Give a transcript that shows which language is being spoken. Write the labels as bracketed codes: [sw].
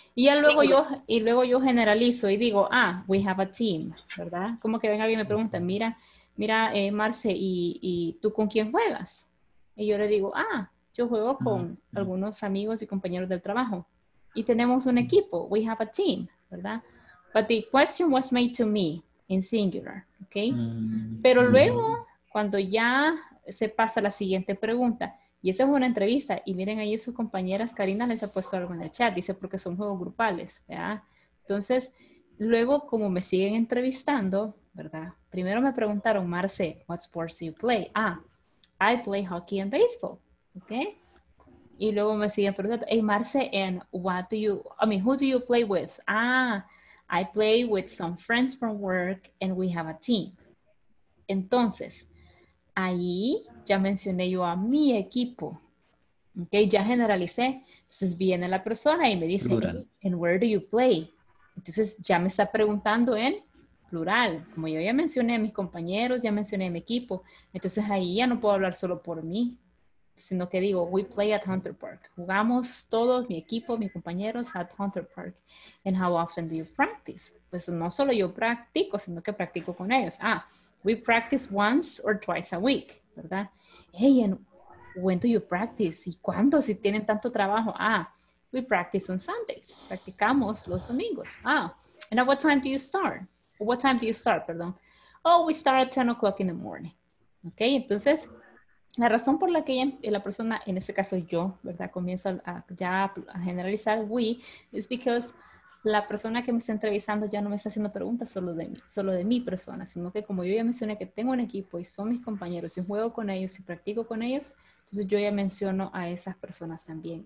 [es] Y ya luego yo generalizo y digo, [en] we have a team, [es] ¿verdad? Como que venga alguien y me pregunta, mira, Marce, ¿y tú con quién juegas? Y yo le digo, yo juego con algunos amigos y compañeros del trabajo. Y tenemos un equipo. [en] We have a team, [es] ¿verdad? [en] But the question was made to me in singular, ¿okay? [es] Pero luego, cuando ya se pasa la siguiente pregunta, y esa es una entrevista, y miren ahí sus compañeras, Karina les ha puesto algo en el chat, dice porque son juegos grupales, ¿verdad? Entonces, luego, como me siguen entrevistando, ¿verdad? Primero me preguntaron, [en] Marce, what sports do you play? I play hockey and baseball. Okay, [es] y luego me siguen preguntando, [en] hey Marce, and who do you play with? I play with some friends from work and we have a team. [es] Entonces, ahí ya mencioné yo a mi equipo. Okay, ya generalicé. Entonces viene la persona y me dice, [en] and where do you play? [es] Entonces ya me está preguntando en plural. Como yo ya mencioné a mis compañeros, ya mencioné a mi equipo. Entonces ahí ya no puedo hablar solo por mí, sino que digo, [en] we play at Hunter Park. [es] Jugamos todos, mi equipo, mis compañeros, [en] at Hunter Park. And how often do you practice? [es] Pues no solo yo practico, sino que practico con ellos. [en] Ah, we practice once or twice a week, ¿verdad? Hey, and when do you practice? [es] ¿Y cuándo? Si tienen tanto trabajo. [en] Ah, we practice on Sundays. [es] Practicamos los domingos. [en] Ah, and at what time do you start? What time do you start, perdón? Oh, we start at 10 o'clock in the morning. [es] Ok, entonces, la razón por la que la persona, en este caso yo, ¿verdad? Comienza a generalizar [en] we, is because [es] la persona que me está entrevistando ya no me está haciendo preguntas solo de mi persona, sino que como yo ya mencioné que tengo un equipo y son mis compañeros, y juego con ellos y practico con ellos, entonces yo ya menciono a esas personas también.